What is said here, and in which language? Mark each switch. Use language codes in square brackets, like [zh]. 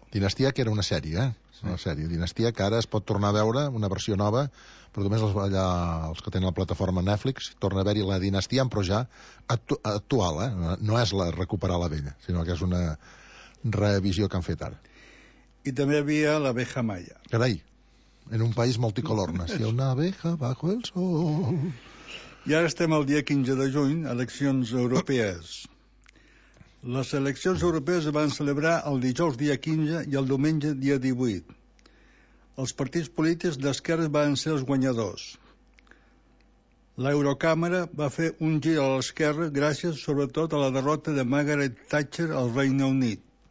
[ca] Dinastia, que era una sèrie, eh? Sí. Una sèrie. Dinastia, que ara es pot tornar a veure, una versió nova, però només els que tenen la plataforma Netflix, torna a haver-hi la Dinastia, però ja actual, eh? No és la recuperar la vella, sinó que és una revisió que han fet ara. I també havia l'abeja Maya. Carai, [es] en un país multicolor, nació una abeja bajo el sol... [ca] I ara estem el dia 15 de juny, eleccions europees. Les eleccions europees es van celebrar el dijous dia 15 i el diumenge dia 18. Els partits polítics d'esquerres van ser els guanyadors. L'Eurocàmera va fer un gir a l'esquerra gràcies, sobretot, a la derrota de Margaret Thatcher al Regne Unit.